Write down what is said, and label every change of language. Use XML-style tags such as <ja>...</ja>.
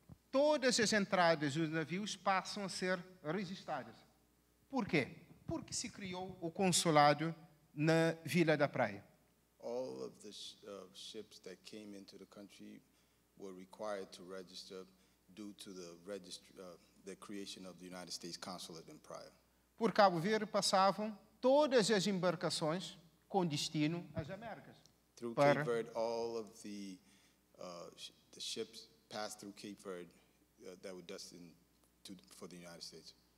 <pt>Todas as entradas dos navios passam a ser registradas. Por quê? Porque se criou o consulado na Vila da Praia.</pt> <en>All of the ships that came into the country were required to register due to the registry, the creation of the United States Consulate in Praia.</en> <pt>Por Cabo Verde passavam todas as embarcações com destino às Américas.</pt> <en>Through Cape Verde, all of the ships passed through Cape Verde that were destined to, for the United States.</en>